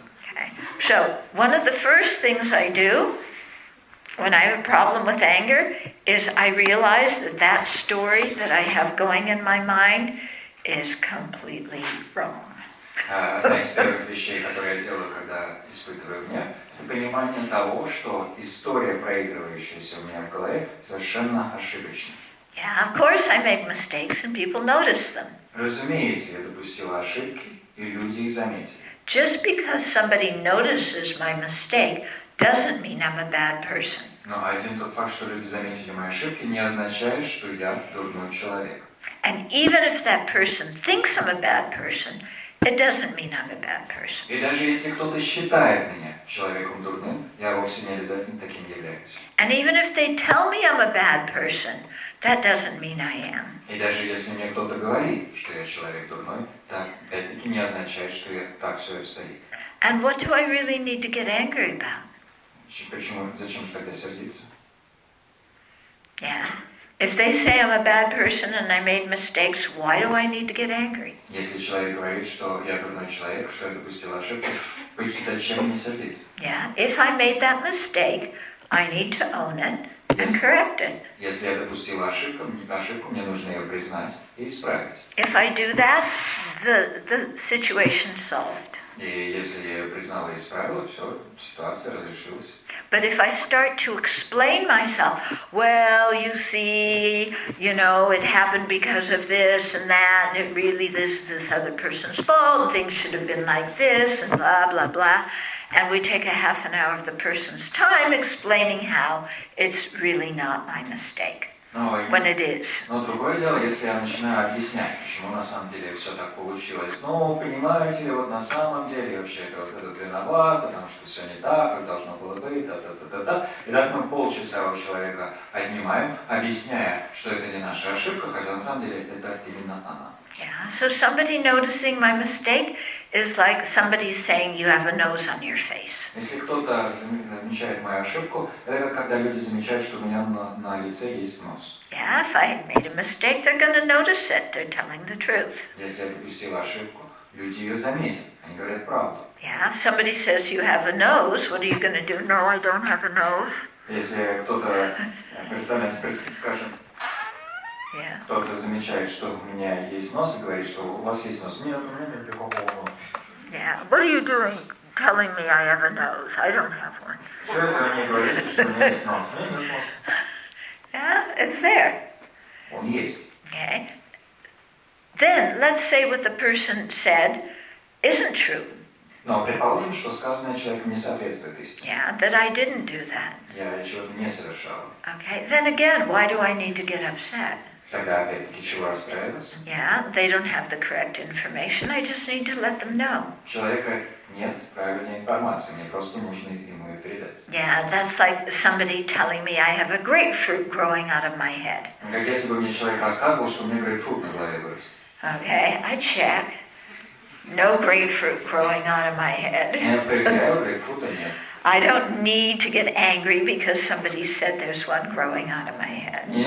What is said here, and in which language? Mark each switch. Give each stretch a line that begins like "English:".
English: Okay. So, one of the first things I do when I have a problem with anger, is I realize that that story that I have going in my mind is completely wrong.
Russian: Одна из первых вещей, которые я делаю, когда испытываю гнев, это понимание того, что история, проигрывающаяся у меня в голове, совершенно ошибочна.
English: Yeah, of course I make mistakes and people notice them.
Russian: Разумеется, я допустил ошибки, и люди их заметили.
English: Just because somebody notices my mistake doesn't mean I'm a bad person.
Russian: Но один тот факт, что люди заметили мои ошибки, не означает, что я дурной человек.
English: And even if that person thinks I'm a bad person, it doesn't mean I'm a bad person.
Russian: И даже если кто-то считает меня человеком дурным, я вовсе не обязательно таким являюсь.
English: And even if they tell me I'm a bad person, that doesn't mean I am.
Russian: И даже если мне кто-то говорит, что я человек дурной, это не означает, что я так все и стоит.
English: And what do I really need to get angry about?
Russian: Зачем же тогда сердиться?
English: Yeah. If they say I'm a bad person and I made mistakes, why do I need to get angry?
Russian: Если человек говорит, что я дурной человек, что я допустил ошибку, зачем мне сердиться? Yeah.
English: If I made that mistake, I need to own it and correct it.
Russian: Если я допустил ошибку, мне нужно ее признать и исправить.
English: If I do that, the situation solved.
Russian: И если я ее признала и исправила, все, ситуация разрешилась.
English: But if I start to explain myself, well, you see, you know, it happened because of this and that, and it really is this other person's fault, things should have been like this, and blah, blah, blah, and we take a half an hour of the person's time explaining how it's really not my mistake. When it is.
Russian: Но другое дело, если я начинаю объяснять, почему на самом деле все так получилось. Ну, понимаете ли, вот на самом деле вообще это виноват, потому что все не так, как должно было быть, да-да-да-да-да. И так мы полчаса у человека отнимаем, объясняя, что это не наша ошибка, хотя на самом деле это именно она.
English: Yeah, so somebody noticing my mistake is like somebody saying you have a nose on your face.
Russian: Если кто-то замечает мою ошибку, это когда люди замечают, что у меня на лице есть нос.
English: Yeah, if I made a mistake, they're going to notice it. They're telling the truth.
Russian: Если я допустил ошибку, люди ее заметят. Они говорят правду.
English: Yeah, if somebody says you have a nose, what are you going to do? No, I don't have a nose.
Russian: Если кто-то представляет, скажет...
English: Yeah.
Russian: Кто-то замечает, что у меня есть нос, и говорит, что у вас есть нос. Нет, у меня нет никакого носа.
English: Yeah. What are you doing telling me I have a nose? I don't have one.
Russian: Все это мне говорит, что у меня есть нос. У меня нет носа.
English: Yeah, it's there.
Russian: Он есть.
English: Okay. Then, let's say what the person said isn't true.
Russian: Но предположим, что сказанное человеку не соответствует истине.
English: Yeah, that I didn't do that.
Russian: Я чего-то не совершал.
English: Okay, then again, why do I need to get upset?
Russian: Тогда опять-таки чего расстраиваться?
English: Yeah, they don't have the correct information, I just need to let them know.
Russian: У человека нет правильной информации, мне просто нужно ему ее передать.
English: Yeah, that's like somebody telling me I have a grapefruit growing out of my head.
Russian: Как если бы мне человек рассказывал, что у меня грейпфрут на голове вырос.
English: Okay, I check. No grapefruit growing out of my head.
Russian: Нет, грейпфрута нет.
English: I don't need to get angry because somebody said there's one growing out of my head.